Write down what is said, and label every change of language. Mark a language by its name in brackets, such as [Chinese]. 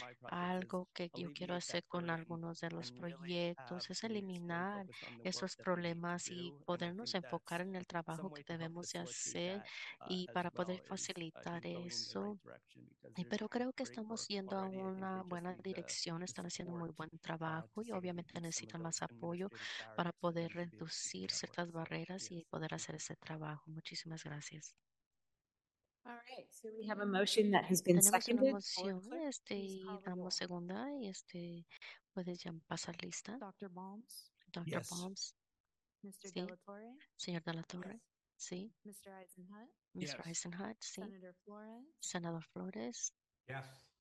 [Spanish] Algo que yo quiero hacer con algunos de los proyectos es eliminar esos problemas y podernos enfocar en el trabajo que debemos de hacer y para poder facilitar eso. Pero creo que estamos yendo a una buena dirección, están haciendo muy buen trabajo y obviamente necesitan más apoyo para poder reducir ciertas barreras y poder hacer ese trabajo. Muchísimas gracias. [English] All right, so we have a motion that has been seconded. [Spanish] Tenemos una moción, damos segunda y puedes ya pasar lista. [English] Dr. Balmes. Dr. Balmes. Mr. De La Torre. [Spanish] Señor De La Torre. [English] Yes. [Spanish] Sí. [English] Mr. Eisenhut. Yes. Mr. Eisenhut. [Spanish] Sí. [English] Senator Flores. [Spanish] Senador Flores. [English] Yes.